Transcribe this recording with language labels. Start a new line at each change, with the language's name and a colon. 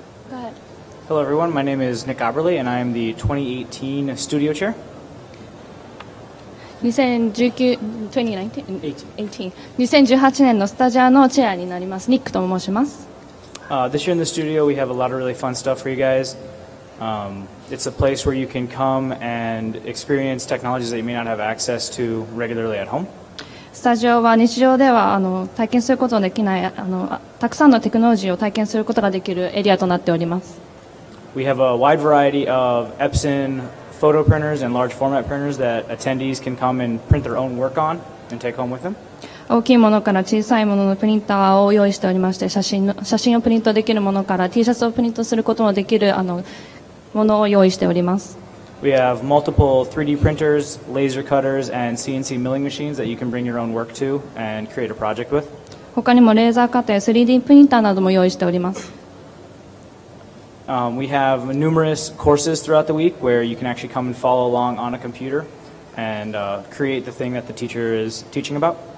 English: Go ahead. Hello everyone, my name is Nick Aberley and I am the 2018 studio chair.
Japanese: 2018年のスタジオのチェアになります。ニックと申します。
English: This year in the studio, we have a lot of really fun stuff for you guys. It's a place where you can come and experience technologies that you may not have access to regularly at home.
Japanese: スタジオは日常では体験することができないたくさんのテクノロジーを体験することができるエリアとなっております。
English: We have a wide variety of Epson. Photo printers and large format printers that attendees can come and print their own work on and take home with them.
Japanese: 大きいものから小さいもののプリンターを用意しておりまして、写真をプリントできるものから T シャツをプリントすることもできるものを用意しております。
English: We have multiple 3D printers, laser cutters, and CNC milling machines that you can bring your own work to and create a project with.
Japanese: 他にもレーザーカッターや 3D プリンターなども用意しております。
English: We have numerous courses throughout the week where you can actually come and follow along on a computer and create the thing that the teacher is teaching about.